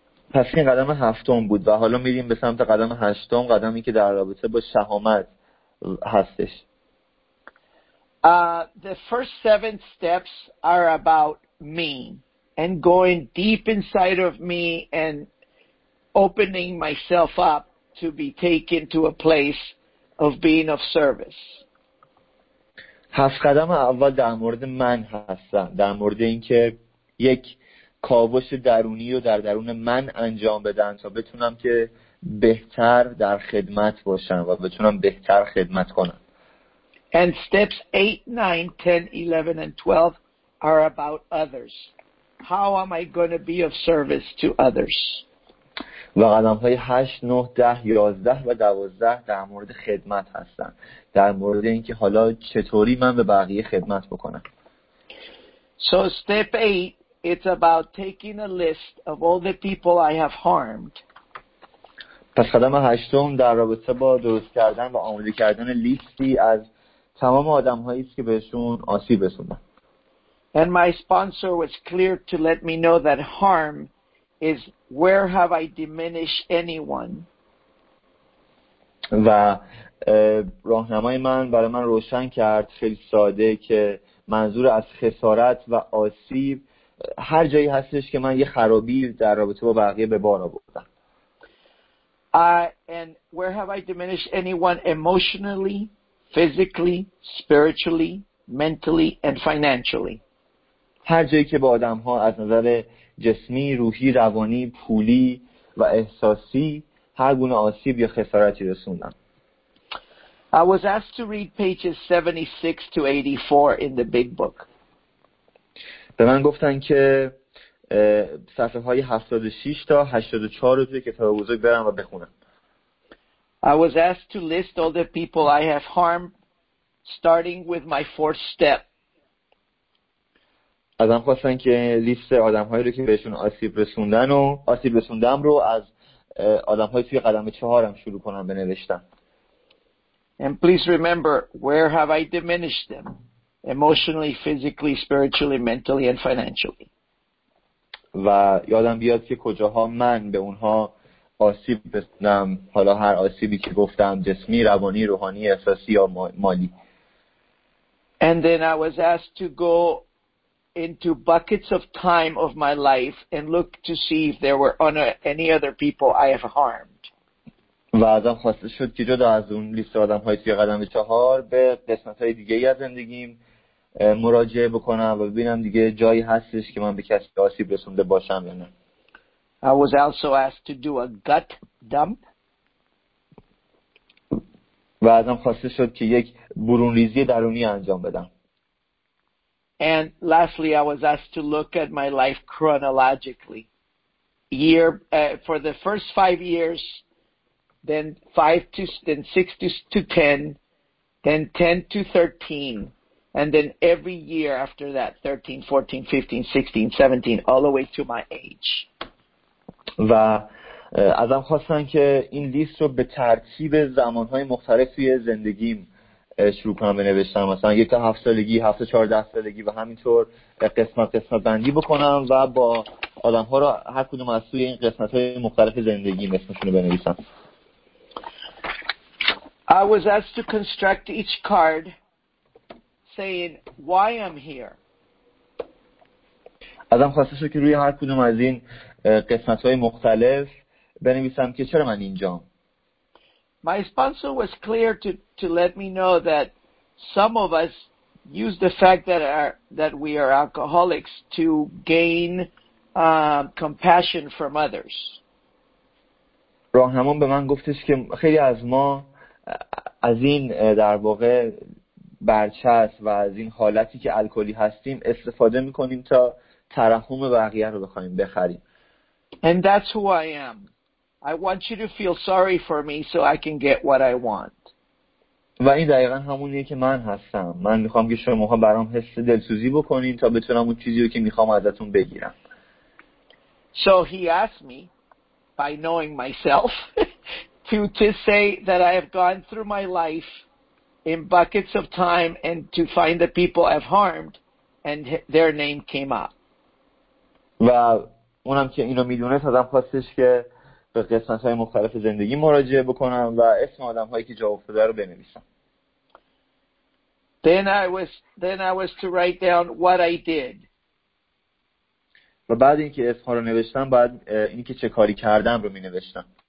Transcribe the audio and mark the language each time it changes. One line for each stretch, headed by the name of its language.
Persian: پس این قدم هفتم بود و حالا میریم به سمت قدم هشتم، قدمی که در رابطه با شهامت هستش.
English: The first seven steps are about me and going deep inside of me and opening myself up to be taken to a place of being of service.
Persian: هفت قدم اول در مورد من هستن، در مورد اینکه یک کاوش درونی رو در درون من انجام بدن تا بتونم که بهتر در خدمت باشم و بتونم بهتر خدمت کنم.
English: And steps 8, 9, 10, 11 and 12 are about others. How am I going to be of service to others?
Persian: و قدم‌های 8 9 10 11 و 12 در مورد خدمت هستن، در مورد اینکه حالا چطوری من به بقیه خدمت بکنم.
English: So step 8, it's about taking a list of all the people I have harmed.
Persian: پس قدم 8 در رابطه با درست کردن و آماده کردن لیستی از تمام آدم‌هایی است که بهشون آسیب رسوندم.
English: And my sponsor was clear to let me know that harm is where have I diminished anyone.
Persian: و راهنمای من برای من روشن کرد خیلی ساده که منظور از خسارت و آسیب هر جایی هستش که من یه خرابی در رابطه با بقیه به بار آوردم.
English: And where have I diminished anyone emotionally, physically, spiritually, mentally and financially.
Persian: هر جایی که با آدم ها از نظر جسمی، روحی، روانی، پولی و احساسی هر گونه آسیب یا خسارتی رسوندم.
English: I was asked to read pages 76 to 84 in the big book.
Persian: به من گفتن که صفحه های 76 تا 84 رو توی کتاب بزرگ برم و بخونم.
English: I was asked to list all the people I have harmed starting with my fourth step.
Persian: ازم خواستن که لیست آدم‌هایی رو که بهشون آسیب رسوندم رو از آدم‌های توی قدم چهارم شروع کنم بنوشتم.
English: And please remember where have I diminished them emotionally, physically, spiritually, mentally and financially.
Persian: و یادم بیاد که کجاها من به اونها آسیب رسوندم، حالا هر آسیبی که گفتم جسمی، روانی، روحانی، احساسی یا مالی.
English: And then I was asked to go into buckets of time of my life and look to see if there were any other people I have harmed.
Persian: و ازم خواسته شد که جدا از اون لیست آدم های توی قدم چهار به قسمت های دیگه از زندگیم مراجعه بکنم و ببینم دیگه جایی هستش که من به کسی آسیب رسونده باشم یا نه.
English: I was also asked to do a gut dump.
Persian: و ازم خواسته شد که یک برونریزی درونی انجام بدم.
English: And lastly, I was asked to look at my life chronologically. For the first 5 years, then 5 to then 6 to 10, then 10 to 13, and then every year after that, 13, 14, 15, 16, 17, all the way to my age.
Persian: و ازم خواستن که این لیست رو به ترتیب زمانهای مختلف توی زندگیم شروع کنم به نوشتن، مثلا 1 تا 7 سالگی، 7 تا 14 سالگی و همینطور قسمت بندی بکنم و با آدم‌ها رو هر کدوم از سوی این قسمت‌های مختلف زندگی اسمشون رو بنویسم.
English: I was asked to construct each card saying why I'm here.
Persian: آدم خواسته شد که روی هر کدوم از این قسمت‌های مختلف بنویسم که چرا من اینجام.
English: My sponsor was clear to let me know that some of us use the fact that we are alcoholics to gain compassion from others.
Persian: راهنما به من گفتش که خیلی از ما از این در واقع برچسب و از این حالتی که الکلی هستیم استفاده می‌کنیم تا ترحم بقیه رو بخوایم بخریم.
English: And that's who I am. I want you to feel sorry for me so I can get what I want.
Persian: و این دقیقا همونیه که من هستم. من میخوام که شما برام حس دلسوزی بکنین تا بتونم اون چیزی رو که میخوام ازتون بگیرم.
English: So he asked me, by knowing myself, to say that I have gone through my life in buckets of time and to find the people I've harmed and their name came up.
Persian: و اونم که اینو میدونست ازم خواستش که به قسمت‌های مختلف زندگی مراجعه بکنم و اسم آدم‌هایی که جا افتاده رو بنویسم.
English: Then I was to write down what I did.
Persian: و بعد اینکه اسم‌ها رو نوشتم بعد اینکه چه کاری کردم رو می‌نوشتم.